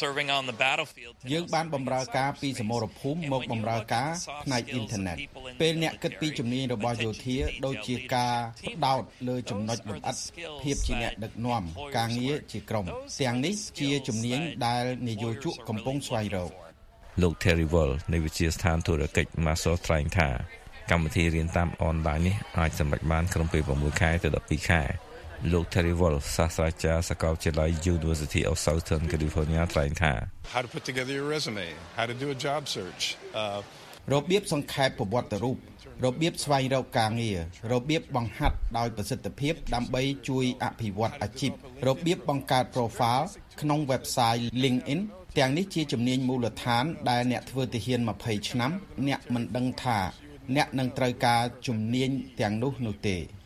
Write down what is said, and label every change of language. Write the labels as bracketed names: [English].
[Khmer] យើងបានបម្រើការពីសមរភូមិមកបម្រើការផ្នែកអ៊ីនធឺណិតពេលអ្នកគិតពីជំនាញរបស់យោធាដូចជាការបដោតលើចំណុចលម្អិតភាពជាអ្នកដឹកនាំការងារជាក្រុមទាំងនេះជាជំនាញដែលនយោជកកំពុងស្វែងរក លោក Terry Wall នៃវិទ្យាស្ថានធុរកិច្ច Masor ថ្លែងថាកម្មវិធីរៀនតាមអនឡាញនេះអាចសម្រេចបានក្នុងពេល6ខែទៅ12ខែលោក Terry Wall សាស្ត្រាចារ្យសាកលវិទ្យាល័យ University of Southern California ថ្លែងថា [English] How to put together your resume, how to do a job search. [Khmer] របៀបសង្ខេបប្រវត្តិរូបរបៀបស្វែងរកការងាររបៀបបង្ហាត់ដោយប្រសិទ្ធភាពដើម្បីជួយអភិវឌ្ឍអាជីពរបៀបបង្កើត Profile ក្នុង Website LinkedIn ទាំងនេះជាជំនាញមូលដ្ឋានដែលអ្នកធ្វើទាហាន20ឆ្នាំអ្នកមិនដឹងថាអ្នកនឹងត្រូវការជំនាញទាំងនោះនោះទេ